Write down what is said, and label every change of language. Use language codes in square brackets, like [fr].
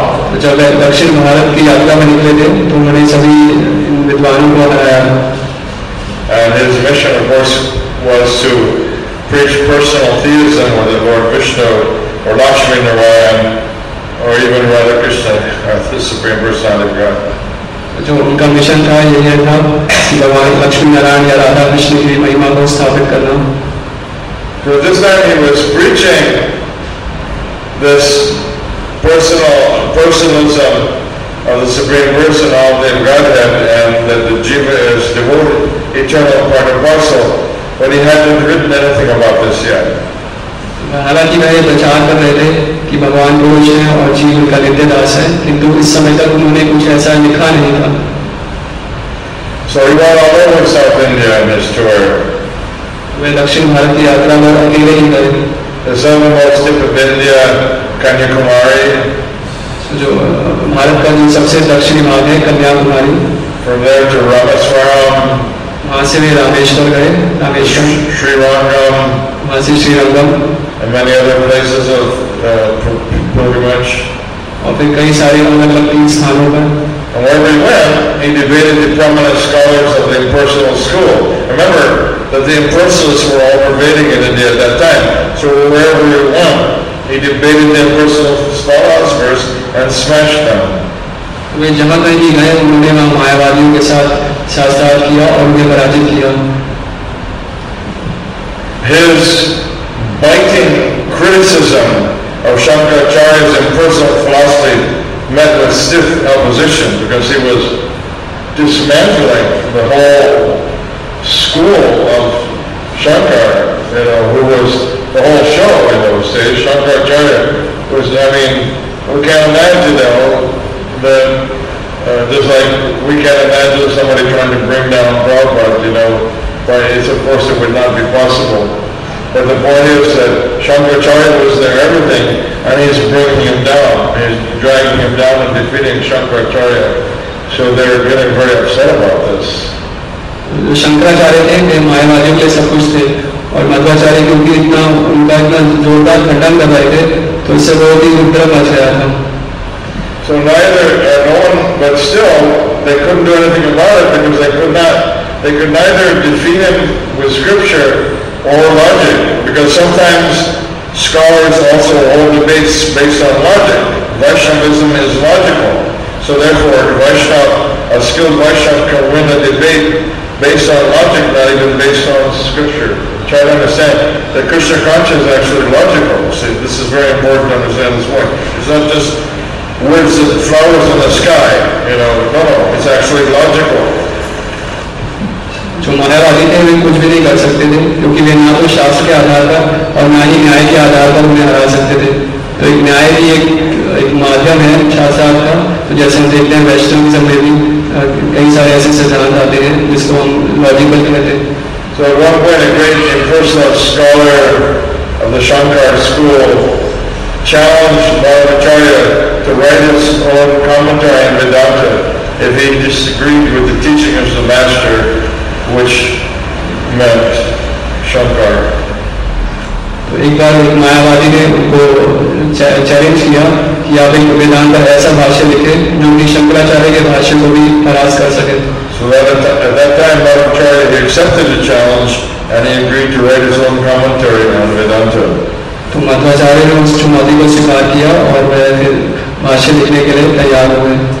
[hi] तो जब वे दक्षिण भारत की यात्रा में निकले थे तो उन्होंने सभी विद्वानों को हराया. [en] And his mission, of course, was to preach personal theism with Lord Vishnu or Lakshmi Narayan or even Radha Krishna, the Supreme Personality of God. [hi] जो उनका मिशन था यही है था भगवान लक्ष्मी नारायण या राधा कृष्ण की महिमा को स्थापित करना. [en] So this time he was preaching this personalism of the Supreme Personality of Godhead and that the jiva is devoted, eternal part of parcel, but he hadn't written anything about this yet. [hi] हालांकि वह ये प्रचार कर रहे थे कि भगवान पुरुष हैं और जीव उनका नित्य दास है, किंतु इस समय तक उन्होंने कुछ ऐसा लिखा नहीं था. [en] So he went all over South India on his tour. [hi] वे दक्षिण भारत की यात्रा पर अकेले ही गए. [en] The southernmost tip of India, Kanyakumari. [hi] जो भारत का जो सबसे दक्षिणी भाग है Kanyakumari. [en] From there to Rameswaram. [hi] वहां से वे रामेश्वर गए, रामेश्वरम. श्रीरंगम. वहां से Srirangam. [en] And many other places of pilgrimage. [hi] और फिर कई सारे अलग-अलग तीन स्थानों पर. [en] And wherever he went, he debated the prominent scholars of the impersonal school. Remember that the impersonalists were all pervading in India at that time. So wherever he went, he debated the impersonal philosophers and smashed them. [hi] वे जहाँ कहीं भी गए, उन्होंने वहाँ मायावादियों के साथ शास्त्रार्थ किया और उन्हें पराजित किया. [en] His biting criticism of Shankaracharya's impersonal philosophy met with stiff opposition because he was dismantling the whole school of Shankara, you know, who was the whole show in those days. Shankaracharya Because I mean, we can't imagine though that just like we can't imagine somebody trying to bring down Prabhupada, you know, but it's of course it would not be possible. But the point is that Shankaracharya was there, everything, and he's bringing him down. He's dragging him down and defeating Shankaracharya. So they're getting very upset about this. Shankaracharya came to Mayavadi place, of course, they. [hi] और मध्वाचार्य क्योंकि इतना उनका इतना जोरदार खंडन कर रहे थे तो इससे बहुत ही उग्र मच गया था. [en] So neither no one, but still they couldn't do anything about it because they could not, they could neither defeat him with scripture or logic, because sometimes scholars also hold the base based on logic. Vaishnavism is logical, so therefore a skilled Vaishnav can win a debate based on logic, not even based on scripture. Try to understand that Krishna consciousness is actually logical. See, this is very important to understand this point. It's not just words and flowers in the sky, you know. No, it's actually logical. [hi] जो मायावादी थे वे कुछ भी नहीं कर सकते थे क्योंकि वे ना तो शास्त्र के आधार पर और ना ही न्याय के आधार पर उन्हें हरा सकते थे. तो एक न्याय ही एक माध्यम है शास्त्र का. तो जैसे हम देखते हैं वैष्णविज्म में भी कई सारे ऐसे सिद्धांत आते हैं जिसको हम लॉजिकल कहते हैं. [en] So at one point a great impersonal scholar of the Shankara school challenged Bhattacharya to write his own commentary on Vedanta if he disagreed with the teaching of the master, which meant Shankara. [hi] तो एक बार एक मायावादी ने उनको challenge किया कि आप एक वेदांत ऐसा भाष्य लिखे जो कि शंकराचार्य के भाष्य को भी हरास कर सके. [en] So at that time, Bhattacharya accepted the challenge and he agreed to write his own commentary on Vedanta. [hi] तो मध्वाचार्य ने उस चुनौती को स्वीकार किया और वह भाष्य लिखने के लिए तैयार हुए.